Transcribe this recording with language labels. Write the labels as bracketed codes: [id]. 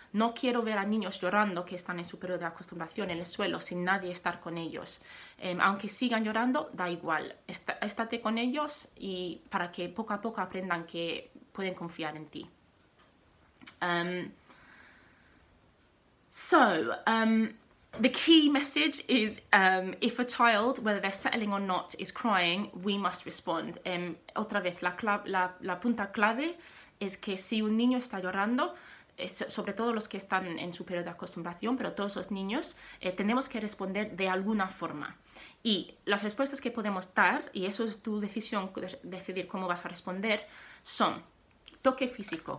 [es] No quiero ver a niños llorando que están en su periodo de acostumbración en el suelo sin nadie estar con ellos. Aunque sigan llorando, da igual. Estate con ellos y para que poco a poco aprendan que pueden confiar en ti. So... [en] The key message is if a child, whether they're settling or not, is crying, we must respond. [es] Otra vez, la punta clave es que si un niño está llorando, sobre todo los que están en su periodo de acostumbración, pero todos los niños, tenemos que responder de alguna forma. Y las respuestas que podemos dar, y eso es tu decisión, decidir cómo vas a responder, son toque físico.